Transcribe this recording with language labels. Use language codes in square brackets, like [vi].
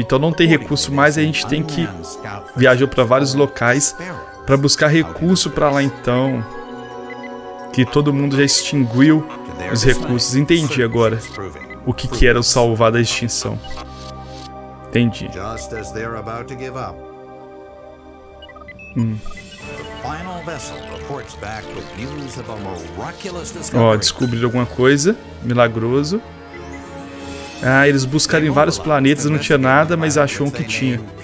[pt] Então não tem recurso mais, a gente tem que viajar para vários locais para buscar recurso para lá então. Que todo mundo já extinguiu os recursos. Entendi agora. O que, que era o salvar da extinção? Entendi. [en] Just as they're about to give up. The final vessel reports back with news of a miraculous discovery. [pt] Ó, descobriram alguma coisa. Milagroso. Ah, eles buscaram em vários planetas, não tinha nada, mas acharam que tinha.